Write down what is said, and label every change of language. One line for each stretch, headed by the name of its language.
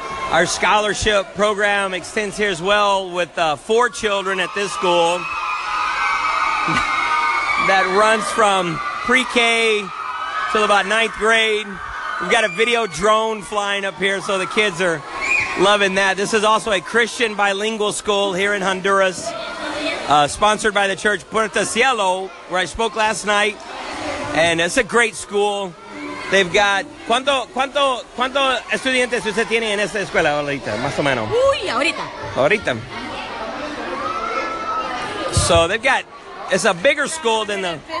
English: Our scholarship program extends here as well with four children at this school that runs from pre-K till about ninth grade. We've got a video drone flying up here, so the kids are loving that. This is also a Christian bilingual school here in Honduras, sponsored by the church Puerta Cielo, where I spoke last night. And it's a great school. They've got
Spanish: cuánto estudiantes usted tiene en esta escuela ahorita, más o menos. Uy, ahorita.
English: So they've got, it's a bigger school than the